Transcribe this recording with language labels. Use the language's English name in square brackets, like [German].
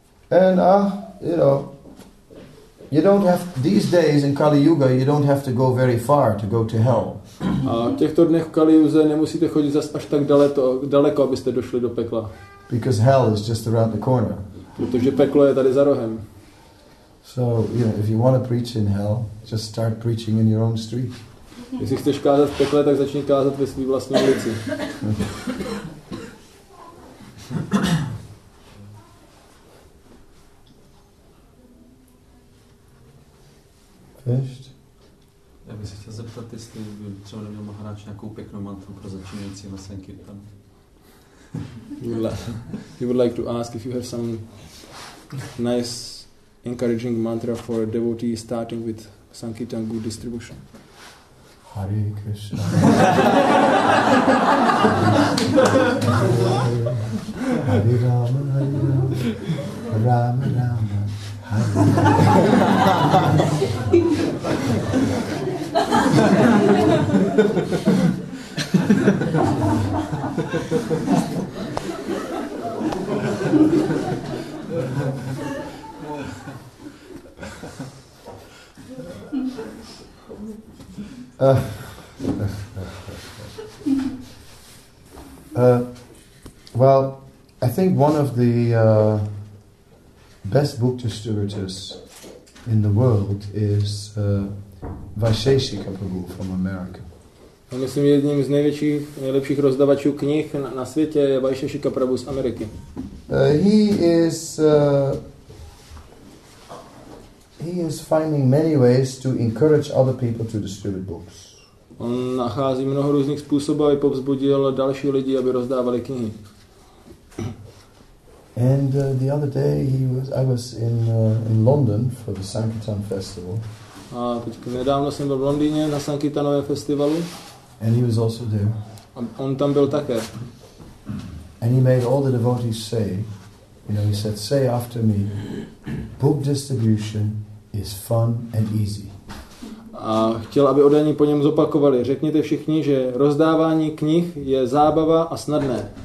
[English] And you don't have these days in Kali Yuga, you don't have to go very far to go to hell. [Czech] A v těchto dnech Kali Yuze nemusíte chodit zas až tak daleko, abyste došli do pekla. [English] Because hell is just around the corner. [Czech] Protože peklo je tady za rohem. [English] So, you know, if you want to preach in hell, just start preaching in your own street. [Czech] Jestli chceš kázat v pekle, tak začni kázat ve své vlastní ulici. Fešt? Já bych se chtěl zeptat, jestli by třeba neměl Maharáč nějakou pěknou mantru pro začínající na Sankirtan. [English] You would like to ask if you have some nice encouraging mantra for a devotee starting with Sankirtan good distribution. [Sanskrit] Hare Krishna. Hare Rama, Hare Rama, Rama Rama, Hare Rama. [English] Well, I think one of the best book distributors in the world is Vaisheshika Prabhu from America. [Czech] A myslím, jedním z největších, nejlepších rozdavačů knih na světě je Vaisheshika Prabhu z Ameriky. [English] He is finding many ways to encourage other people to distribute books. [Czech] On nachází mnoho různých způsobů, aby povzbudil další lidi, aby rozdávali knihy. [English] And the other day I was in London for the Sankirtan festival. [Czech] A teď nedávno jsem byl v Londýně na Sankirtanovém festivalu. [English] And he was also there. [Czech] A on tam byl také. [English] And he made all the devotees say, you know, he said, say after me, book distribution is fun and easy. [Czech] A chtěl, aby odaní po něm zopakovali. Řekněte všichni, že rozdávání knih je zábava a snadné.